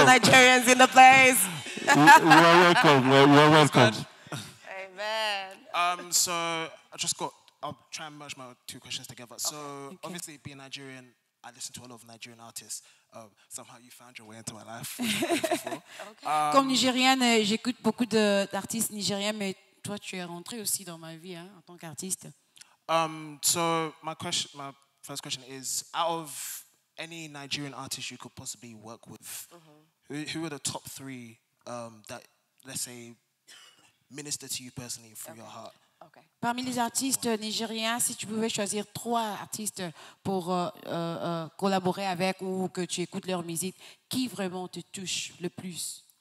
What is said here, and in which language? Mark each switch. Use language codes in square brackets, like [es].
[en] All the Nigerians in the place. You're welcome. So I just got, I'll try and merge my two questions together. So okay. Obviously being Nigerian, I listen to a lot of Nigerian artists. Somehow you found your way into my life. Okay. [fr] Comme Nigérienne, j'écoute beaucoup d'artistes nigériens, mais toi tu es rentré aussi dans ma vie hein, en tant qu'artiste. [en] So my first question is, out of any Nigerian artist you could possibly work with, mm-hmm. who are the top three that, let's say, minister to you personally from your heart? Okay. [fr] Parmi les artistes nigériens, si tu pouvais choisir 3 artistes pour collaborer avec ou que tu écoutes leur musique, qui vraiment te touche le plus?